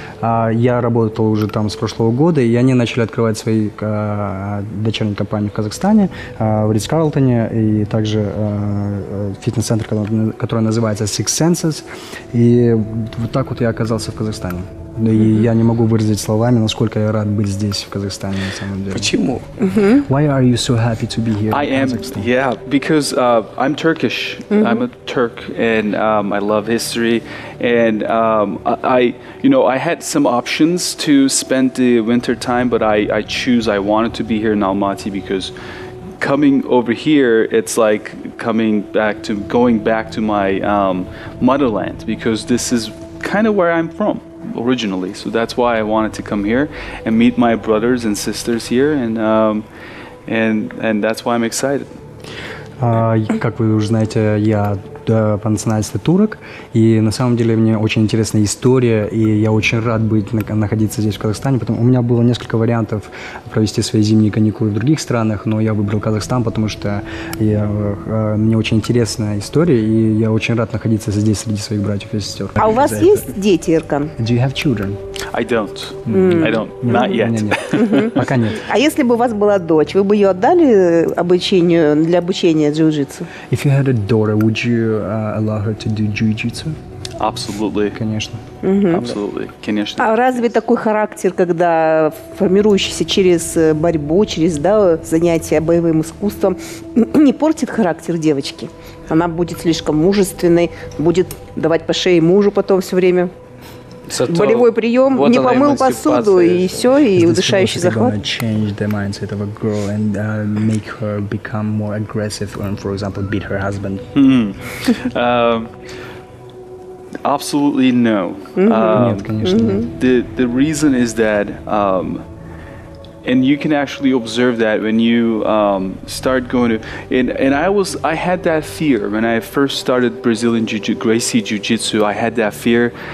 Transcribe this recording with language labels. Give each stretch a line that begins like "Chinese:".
Russian: Я работал уже там с прошлого года, и они начали открывать свои дочерние компании в Казахстане, в Ритц-Карлтоне, и также фитнес-центр, который называется Six Senses. И вот так вот я оказался в Казахстане. И я не могу выразить словами, насколько я рад быть здесь, в Казахстане, на самом деле. Почему?
English: Why are you so happy to be here in Kazakhstan? Yeah, because I'm Turkish. I'm a Turk, and I love history. And I had some options to spend the winter time, but I wanted to be here in Almaty, because coming over here, it's like going back to my motherland, because this is kind of where I'm from. Originally, so that's why I wanted to come here and meet my brothers and sisters here, and that's why I'm excited.
Russian: Как вы уже знаете, я по национальности турок, и на самом деле мне очень интересна история, и я очень рад находиться здесь, в Казахстане. Потом у меня было несколько вариантов провести свои зимние каникулы в других странах, но я выбрал Казахстан, потому что мне очень интересна история, и я очень рад находиться здесь среди своих братьев и сестер. А у вас есть дети, Иркан?
English: Do you have children? I don't. I don't. Not yet.
Russian: Пока нет. А если бы у вас была дочь, вы бы ее отдали обучению, для обучения джиу-джитсу?
English: If you had a daughter, would you allow her to do jiu-jitsu? Absolutely.
Russian: Конечно.
English: Absolutely.
Russian: Конечно. А разве такой характер, когда формирующийся через борьбу, через занятия боевым искусством, не портит характер девочки? Она будет слишком мужественной, будет давать по шее мужу потом все время. Болевой прием, вот не помыл посуду, и все, и удушающий захват.
English: Is this change the mindset of a girl and make her become more aggressive and, for example, beat her husband? Mm-hmm. Absolutely no.
Russian: Нет, конечно.
English: The reason is that and you can actually observe that when you start going to and I had that fear when I first started Brazilian Jiu-Jitsu, Gracie Jiu-Jitsu. I had that fear.